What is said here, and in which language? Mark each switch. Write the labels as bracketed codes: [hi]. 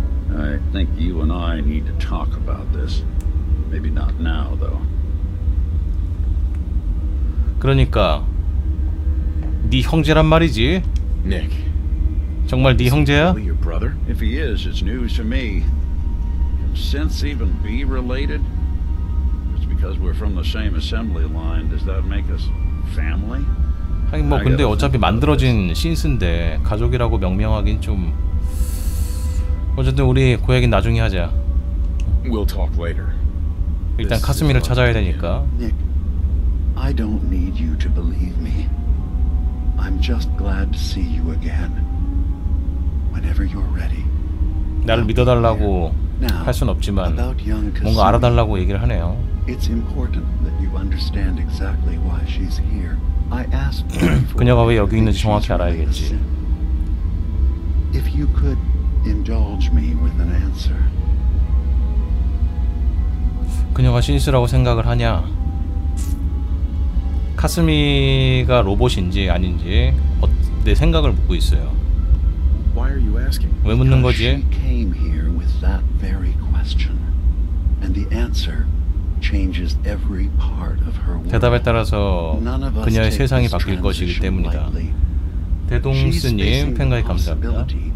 [en] I think you and I need to talk about this. Maybe not now though. [ko] 그러니까 네 형제란 말이지? [en] Nick. [ko] 정말 네 형제야? [en] If he is, it's news to me. Can sense even be related? Because we're from the same assembly line, does that make us family? [ko] 하긴 뭐 근데 어차피 만들어진 신스인데 가족이라고 명명하긴 좀. 어쨌든 우리 그 얘기는 나중에 하자. [en] We'll talk later. [ko] 일단 카스미를 찾아야 되니까. [en] Nick, I don't need you to believe me. I'm just glad to see you again. Whenever you're ready. [ko] 나를 믿어달라고 할 순 없지만 뭔가 알아달라고 얘기를 하네요. [en] It's important that you understand exactly why she's here. I asked her. [ko] 그녀가 왜 여기 있는지 정확히 알아야겠지. [en] If you could indulge me with an answer. [ko] 그녀가 신스라고 생각을 하냐? 카스미가 로봇인지 아닌지 내 생각을 묻고 있어요. [en] Why are you asking? [ko] 왜 묻는 거지? [en] She came here with that very question, and the answer. Changes every part of her world. [ko] 대답에 따라서 그녀의 세상이 바뀔 것이기 때문이다. 대동스님 팬가입 감사합니다.